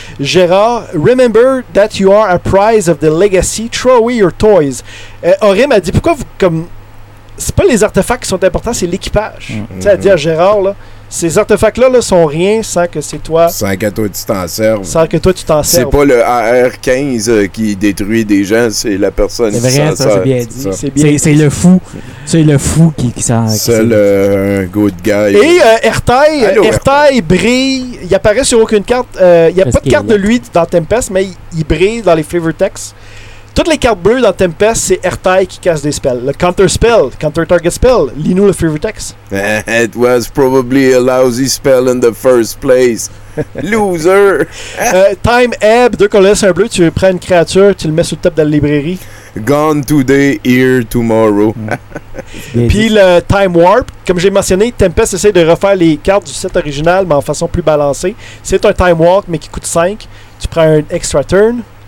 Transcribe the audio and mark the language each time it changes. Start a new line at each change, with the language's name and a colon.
English: Gérard, remember that you are a prize of the legacy. Throw away your toys.
French: Orym a dit pourquoi vous. Comme, c'est pas les artefacts qui sont importants, c'est l'équipage. Mm-hmm. Tu sais, elle dit à Gérard, là. Ces artefacts-là là, sont rien sans que c'est toi. Sans que toi, tu t'en serves. Sans que toi, tu t'en serves. C'est pas le AR-15 qui détruit des gens, c'est la personne c'est qui vrai, s'en sort. C'est vrai, ça, c'est bien dit. C'est bien dit. C'est le fou. C'est le fou qui s'en... Seul un good guy. Et Ertai, allô, Ertai brille. Il apparaît sur aucune carte. Il n'y a pas de carte de lui dans Tempest, mais il brille dans les flavor text. Toutes les cartes bleues dans Tempest, c'est Ertai qui casse des spells. Le counter spell, counter target spell, lis-nous le favorite text.
English: It was probably a lousy spell in the first place. Loser!
French: Time ebb, deux colonnes, un bleu, tu prends une créature, tu le mets sur le top de la librairie.
English: Gone today, here tomorrow.
French: Puis le time warp, comme j'ai mentionné, Tempest essaie de refaire les cartes du set original, mais en façon plus balancée. C'est un time warp, mais qui coûte 5. Tu prends un extra turn.